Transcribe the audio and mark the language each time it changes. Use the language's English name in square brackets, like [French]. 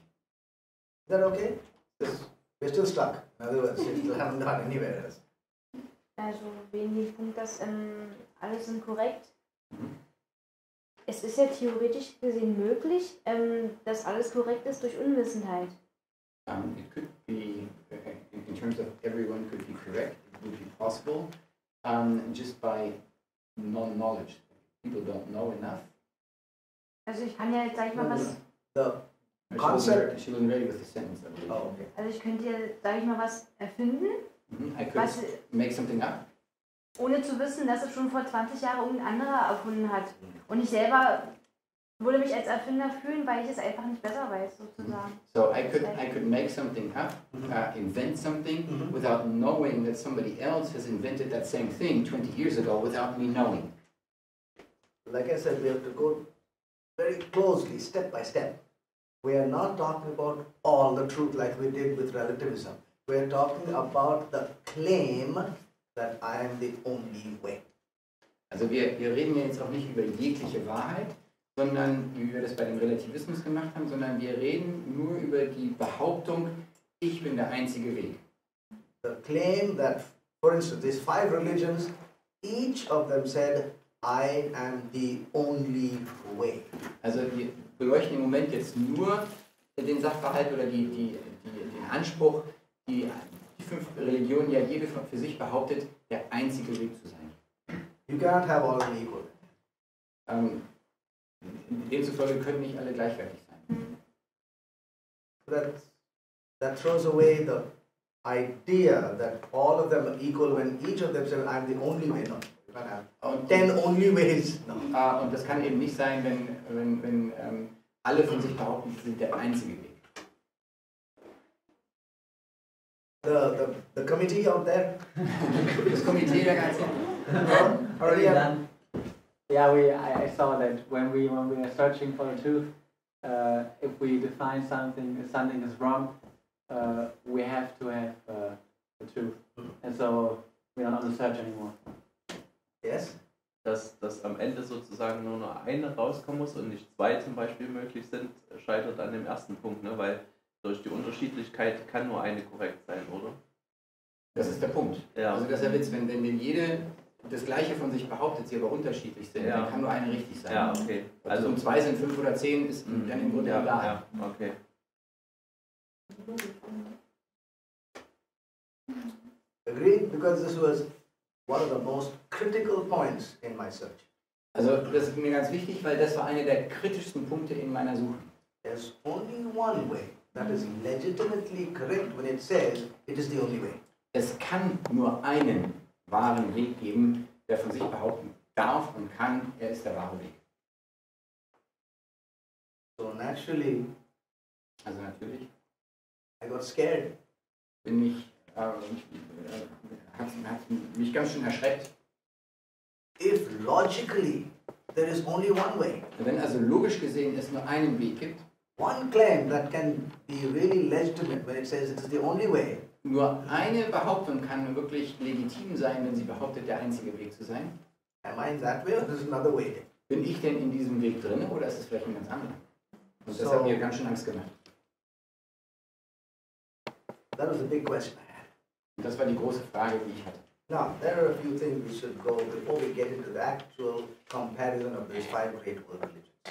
[English] Is that okay? We're still stuck. In other words, we still haven't gone anywhere else. [German] Also, wenn ich finde, dass alles sind korrekt. Es ist ja theoretisch gesehen möglich, dass alles korrekt ist durch Unwissenheit. [English] It could be, in terms of everyone could be correct, it would be possible, just by non-knowledge. People don't know enough. [German] Also ich kann ja jetzt, sag ich mal, was... [English] The concept... She wasn't ready with the sentence, I believe. Oh, okay. [German] Also ich könnte ja, sag ich mal, was erfinden. [English] I could make something up. [German] Ohne zu wissen, dass es schon vor 20 Jahren irgendein anderer erfunden hat. Und ich selber würde mich als Erfinder fühlen, weil ich es einfach nicht besser weiß, sozusagen. [English] So I could make something up, invent something, without knowing that somebody else has invented that same thing 20 years ago without me knowing. Like I said, we have to go very closely, step by step. We are not talking about all the truth like we did with relativism. We are talking about the claim that I am the only way. [German] Also wir reden ja jetzt auch nicht über jegliche Wahrheit, sondern wie wir das bei dem Relativismus gemacht haben, sondern wir reden nur über die Behauptung, ich bin der einzige Weg. [English] The claim that, for instance, these five religions, each of them said, I am the only way. [German] Also wir beleuchten im Moment jetzt nur den Sachverhalt oder den Anspruch, die fünf Religionen ja jede für sich behauptet, der einzige Weg zu sein. [English] You cannot have all an equal. [German] Demzufolge können nicht alle gleichwertig sein. [English] That throws away the idea that all of them are equal when each of them says, I'm the only way. No, you can't have 10 only ways. No. [German] Und das kann eben nicht sein, wenn alle von sich behaupten, sie sind der einzige Weg. [English] The committee out there. [German] Das Komitee der ganzen. [English] Already done. Yeah, I saw that when we are searching for the truth, if we define something is wrong, we have to have the truth, and so we are not on the search anymore. Yes. [German] Dass am Ende sozusagen nur eine rauskommen muss und nicht zwei zum Beispiel möglich sind, scheitert an dem ersten Punkt, ne? Weil durch die Unterschiedlichkeit kann nur eine korrekt sein, oder? Das ist der Punkt. Ja. Also das ist der Witz, wenn jede das Gleiche von sich behauptet, sie aber unterschiedlich sind, dann kann nur eine richtig sein. Ja, okay. Also um zwei sind, fünf oder zehn, ist dann im Grunde egal. Ja, okay. [English] Agree? Because this was one of the most critical points in my search. [German] Also das ist mir ganz wichtig, weil das war einer der kritischsten Punkte in meiner Suche. [English] There's only one way that is legitimately correct when it says it is the only way. [German] Es kann nur einen wahren Weg geben, der von sich behaupten darf und kann, er ist der wahre Weg. [English] So naturally. [German] Also natürlich. [English] I got scared. [German] Hat mich ganz schön erschreckt. [English] If logically there is only one way. [German] Wenn also logisch gesehen es nur einen Weg gibt. [English] One claim that can be really legitimate when it says it is the only way. [German] Nur eine Behauptung kann wirklich legitim sein, wenn sie behauptet, der einzige Weg zu sein. [English] Am I in that way or is another way? [German] Bin ich denn in diesem Weg drin oder ist es vielleicht ein ganz anderer? Und das hat mir ganz schön Angst gemacht. [English] That was a big question I had. [German] Und das war die große Frage, die ich hatte. [English] Now, there are a few things we should go before we get into the actual comparison of these five great world religions.